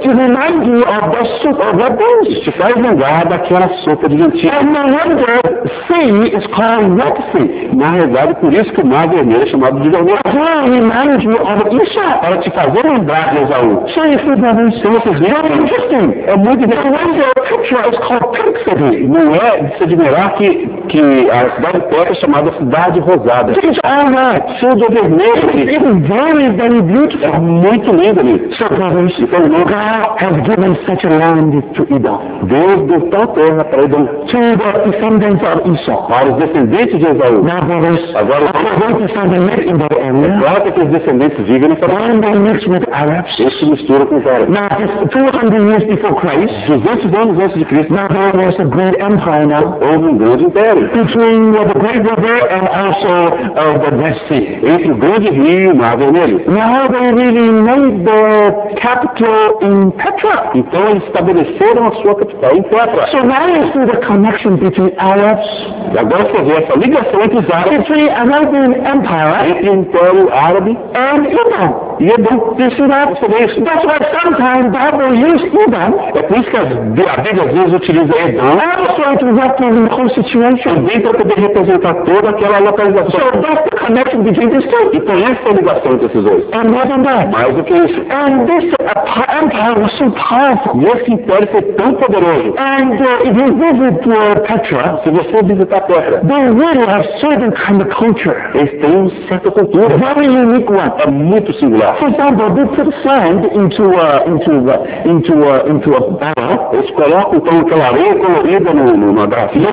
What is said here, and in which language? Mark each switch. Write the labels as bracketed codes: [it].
[en] To remind you of the soup of red beans. [pt] Te faz lembrar daquela sopa de lentilha. [en] And no wonder, sea is called red sea. [pt] Na realidade, por isso que o mar vermelho é chamado de vermelho. [en] To remind you of Esau. [pt] Para te fazer lembrar de Esaú. [en] So you see, brothers, [pt] então, vocês veem, [en] very interesting. [pt] É muito interessante. [en] No wonder, Petra is called pink city. [pt] Não é de se admirar que a cidade de Petra é chamada cidade rosada. [en] It is all right. [pt] Sudo vermelho. [en] It is very, very beautiful. [pt] É muito lindo ali. [en] So, brothers, [pt] então, [en] God has given such a land to Edom. [pt] Deus deu tal terra para Edom. [en] To the descendants of Esau. [pt] Para os descendentes de Esaú. [en] Now, brothers, [pt] agora, [en] I want to find a net in that area. [pt] É claro que os descendentes vivem nessa [en] terra. And they mix with Arabs. [pt] Eles se misturam com os árabes. [en] Now, 200 years before Christ, [pt] 200 anos antes. promessa de Cristo. [en] Now there was a great empire now. [pt] Houve um grande império. [en] Between the great river and also the Red Sea. [pt] Entre o grande rio e o mar vermelho. [en] Now they really made their capital in Petra. [pt] Então eles estabeleceram a sua capital em Petra. [en] So now you see the connection between Arabs. [pt] E agora você vê essa ligação entre os árabes. [en] Between an Arabian empire. [pt] Entre o império árabe. [en] And Iran. [pt] E Iran. [en] You see that? That's why sometimes Bible uses Edom. [pt] É por isso que a Bíblia às vezes utiliza Edom. [en] Also to represent the whole situation. [pt] Também para poder representar toda aquela localização. [en] So that's the connection between these two. [pt] Então essa é a ligação entre esses dois. [en] And more than that. [pt] Mais do que isso. [en] And this empire was so powerful. [pt] E esse império foi tão poderoso. [en] And if you visit Petra. [pt] Se você visitar Petra. [en] They really have certain kind of culture. [pt] Eles têm uma certa cultura. [en] Very unique one. [pt] É muito singular. [en] For example, they put sand into a barrel. [pt] Eles colocam então aquela areia colorida numa garrafinha.